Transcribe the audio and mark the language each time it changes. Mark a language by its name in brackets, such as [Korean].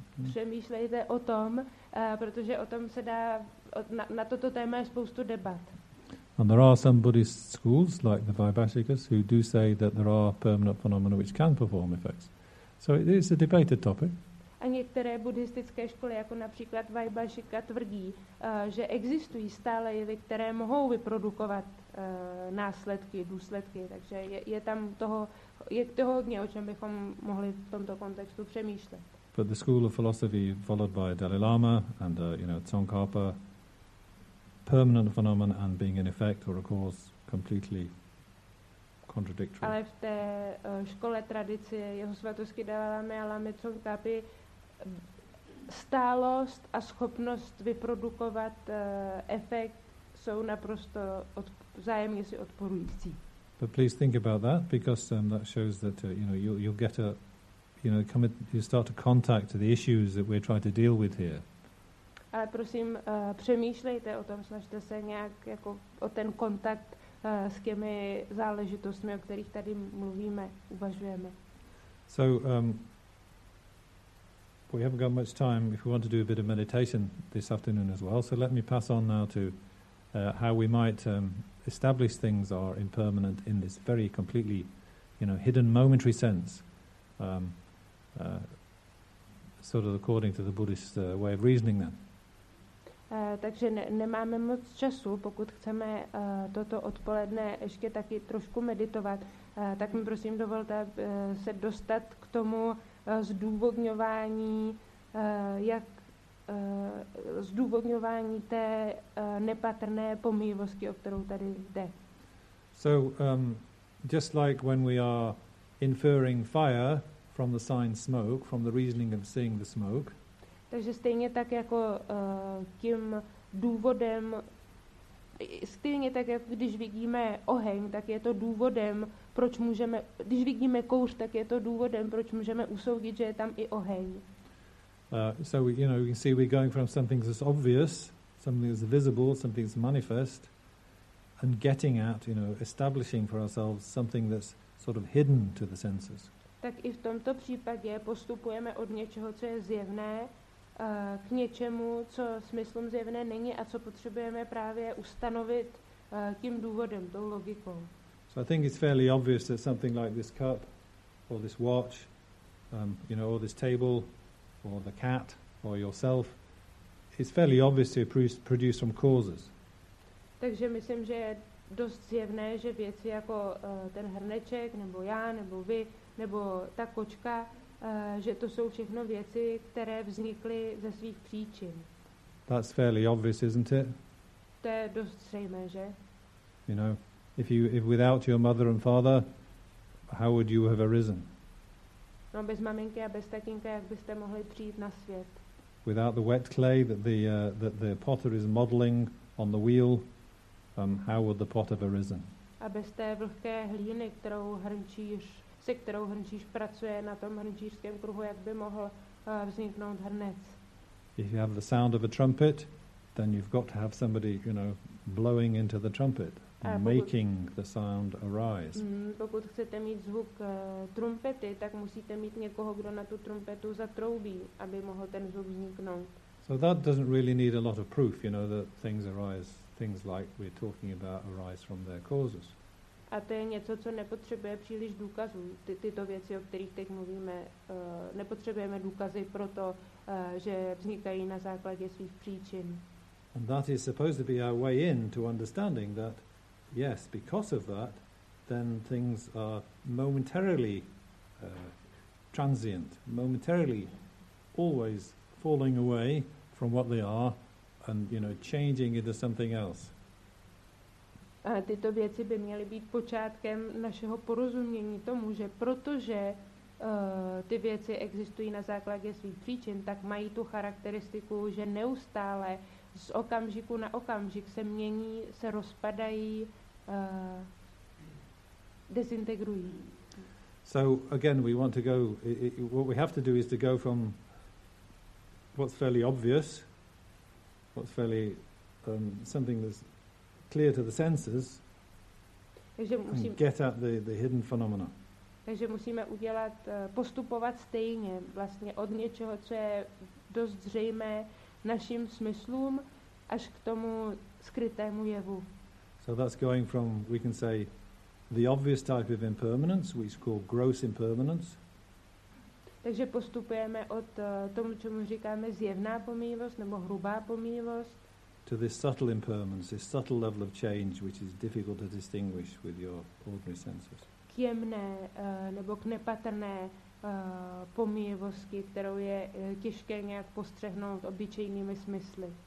[Czech] Přemýšlejte o tom, protože o tom se dá na toto téma je spoustu debat. [English] And there are some Buddhist schools, like the Vaibhashikas, who do say that there are permanent phenomena which can perform effects. So it is a debated topic. [Czech] A některé buddhistické školy, jako například Vaibhashika, tvrdí, že existují stále jevy, které mohou vyprodukovat následky, důsledky. Takže je tam toho hodně, o čem bychom mohli v tomto kontextu přemýšlet. [English] But the school of philosophy followed by Dalai Lama and Tsongkhapa, permanent phenomenon and being an effect or a cause completely contradictory. [Czech] Ale v té škole tradice jeho svatosti Dalai Lama a Lama Tsongkhapy stálost a schopnost vyprodukovat efekt jsou naprosto vzájemně si odporující. [English] But please think about that, because that shows that you'll get a you start to contact the issues that we're trying to deal with here. [Czech] Ale prosím, přemýšlejte o tom, snažte se nějak jako o ten kontakt s těmi záležitostmi, o kterých tady mluvíme, uvažujeme. [English] So we haven't got much time if we want to do a bit of meditation this afternoon as well. So let me pass on now to how we might established things are impermanent in this very completely, you know, hidden momentary sense, sort of according to the Buddhist way of reasoning then. [Czech] Takže nemáme moc času, pokud chceme toto odpoledne ještě taky trošku meditovat, tak mi prosím dovolte se dostat k tomu zdůvodňování, jak zdůvodňování té nepatrné pomývosti, o kterou tady jde. [English] So, just like when we are inferring fire from the sign smoke, from the reasoning of seeing the smoke, [Czech] takže stejně tak jako tím důvodem, stejně tak jako když vidíme oheň, tak je to důvodem, proč můžeme, když vidíme kouř, tak je to důvodem, proč můžeme usoudit, že je tam i oheň. [English] So we, you know, we can see we're going from something that's obvious, something that's visible, something that's manifest, and getting at, you know, establishing for ourselves something that's sort of hidden to the senses. [Czech] Tak i v tomto případě postupujeme od něčeho, co je zjevné, k něčemu, co smyslům zjevné není a co potřebujeme právě ustanovit tím důvodem, tou logikou. [English] So I think it's fairly obvious that something like this cup or this watch, you know, or this table or the cat or yourself is fairly obvious to produce from causes. [Czech] Takže myslím, že je dost zjevné, že věci jako ten hrneček nebo já nebo vy nebo ta kočka, že to jsou všechno věci, které vznikly ze svých příčin. [English] That's fairly obvious, isn't it? [Czech] To je dost zřejmé, že? [English] You know, if without your mother and father, how would you have arisen? [Czech] No, bez maminky a bez tatínka, jak byste mohli přijít na svět? [English] Without the wet clay that the potter is modeling on the wheel, how would the pot have arisen? [Czech] A bez té vlhké hlíny, kterou hrnčíř, se kterou hrnčíř pracuje na tom hrnčířském kruhu, jak by mohl vzniknout hrnec. [English] If you have the sound of a trumpet, then you've got to have somebody, you know, blowing into the trumpet, making the sound arise. [Czech] Pokud chcete mít zvuk trumpety, tak musíte mít někoho, kdo na tu trumpetu zatroubí, aby mohl ten zvuk vzniknout. [English] So that doesn't really need a lot of proof, you know, that things arise, things like we're talking about arise from their causes. [Czech] A to je něco, co nepotřebuje příliš důkazů. Tyto věci, o kterých teď mluvíme, nepotřebujeme důkazy pro to, že vznikají na základě svých příčin. [English] And that is supposed to be our way in to understanding that, yes, because of that, then things are momentarily transient, momentarily always falling away from what they are and, you know, changing into something else. [Czech] A tyto věci by měly být počátkem našeho porozumění tomu, že protože ty věci existují na základě svých příčin, tak mají tu charakteristiku, že neustále z okamžiku na okamžik se mění, se rozpadají, dezintegrují. [English] So again, we want to go, what we have to do is to go from what's fairly obvious, what's fairly something that's clear to the senses, [Czech] takže musím, [English] and get at the hidden phenomena. [Czech] Takže musíme udělat, postupovat stejně, vlastně od něčeho, co je dost zřejmé našim smyslům, až k tomu skrytému jevu. [English] So that's going from, we can say, the obvious type of impermanence, which is called gross impermanence. [Czech] Takže postupujeme od tomu, čemu říkáme zjevná pomývost, nebo hrubá pomývost, [English] to this subtle impermanence, this subtle level of change, which is difficult to distinguish with your ordinary senses. [Czech] K jemné, nebo k nepatrné pomývosti, kterou je těžké nějak postřehnout obyčejnými smysly.